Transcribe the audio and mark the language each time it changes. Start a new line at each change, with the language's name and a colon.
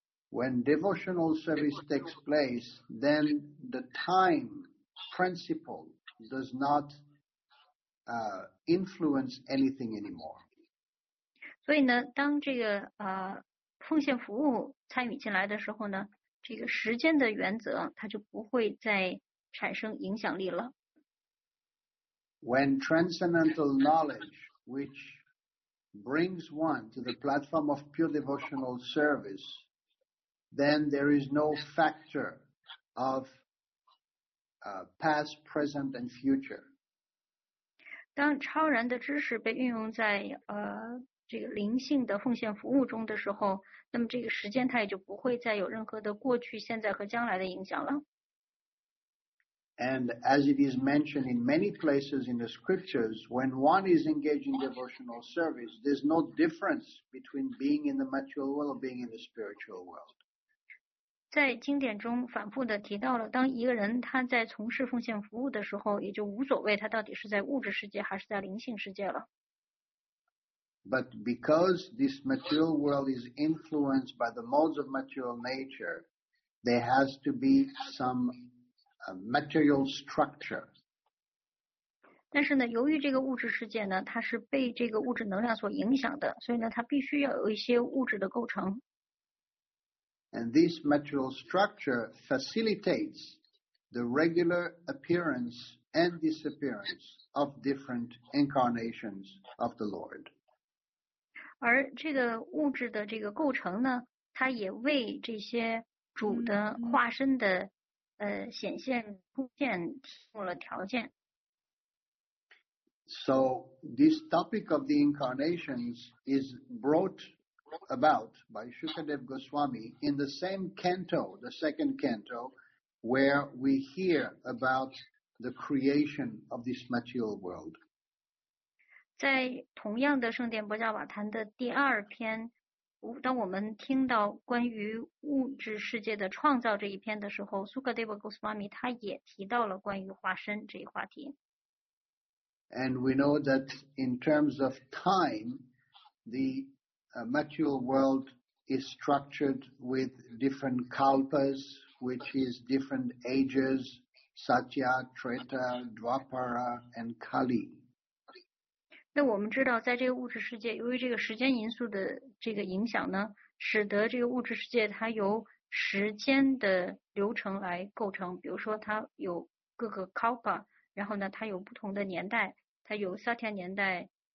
English: When devotional service takes place, then the time principle does not influence anything anymore.
Chinese: 所以呢，当这个奉献服务参与进来的时候呢，这个时间的原则它就不会再产生影响力了。
English: When transcendental knowledge, which brings one to the platform of pure devotional service, then there is no factor of past, present, and future.
Chinese: 当超然的知识被运用在这个灵性的奉献服务中的时候，那么这个时间它也就不会再有任何的过去、现在和将来的影响了。
English: And as it is mentioned in many places in the scriptures, when one is engaged in devotional service, there's no difference between being in the material world or being in the spiritual world.
Chinese: 在经典中反复的提到了，当一个人他在从事奉献服务的时候，也就无所谓他到底是在物质世界还是在灵性世界了。
English: But because this material world is influenced by the modes of material nature, there has to be some material structure.
Chinese: 但是呢，由于这个物质世界呢，它是被这个物质能量所影响的，所以呢，它必须要有一些物质的构成。
English: And this material structure facilitates the regular appearance and disappearance of different incarnations of the Lord.
Chinese: 而这个物质的这个构成呢，它也为这些主的化身的显现出现提供了条件。
English: So this topic of the incarnations is brought about by Shukadev Goswami in the same canto, the second canto, where we hear about the creation of this material world.
Chinese: 在同样的圣殿薄伽瓦坛的第二篇，当我们听到关于物质世界的创造这一篇的时候， Sukadeva Goswami 他也提到了关于化身这一话题。
English: And we know that in terms of time, the material world is structured with different kalpas, which is different ages, Satya, Treta, Dwapara, and Kali.
Chinese: 那我们知道在这个物质世界，由于这个时间因素的这个影响呢，使得这个物质世界它由时间的流程来构成，比如说它有各个 Kalpa， 然后呢它有不同的年代，它有 Satya 年代、